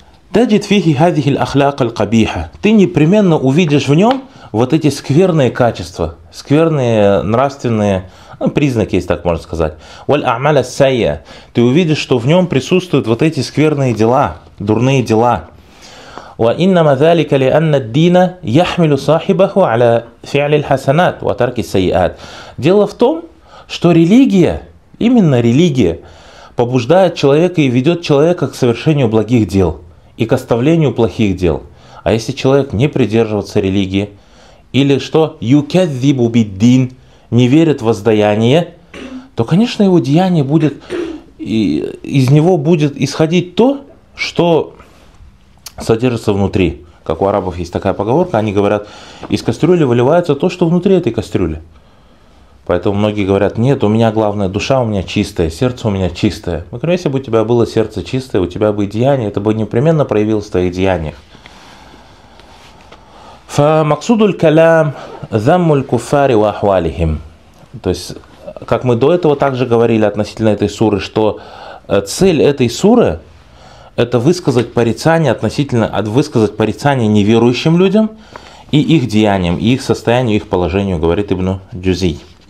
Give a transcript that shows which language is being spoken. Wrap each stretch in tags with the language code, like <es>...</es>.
<ar>Таджид фихи хадихи л-ахляк л-кабиха.</ar> <ru>Ты непременно увидишь в нем вот эти скверные качества, скверные нравственные признаки, если так можно сказать, ты увидишь, что в нем присутствуют вот эти скверные дела, дурные дела.</ru> <ar>وإنما ذلك لأن الدين يحمل صاحبه على فعل الحسنات وترك السيئات.</ar> <ru>Дело в том, что религия, именно религия, побуждает человека и ведет человека к совершению благих дел и к оставлению плохих дел. А если человек не придерживается религии, или что,</ru> <ar>يكذب بالدين,</ar> <ru>не верит в воздаяние, то, конечно, его деяние будет, из него будет исходить то, что содержится внутри. Как у арабов есть такая поговорка, они говорят, из кастрюли выливается то, что внутри этой кастрюли. Поэтому многие говорят, нет, у меня главное, душа у меня чистая, сердце у меня чистое. Мы говорим, если бы у тебя было сердце чистое, у тебя бы и деяние, это бы непременно проявилось в твоих деяниях.</ru> <ar>فمقصود الكلام ذم الكفار وأحوالهم.</ar> <ru>То есть, как мы до этого также говорили относительно этой суры, что цель этой суры это высказать порицание относительно, высказать порицание неверующим людям и их деяниям, и их состоянию, и их положению, говорит Ибн Джузей.</ru>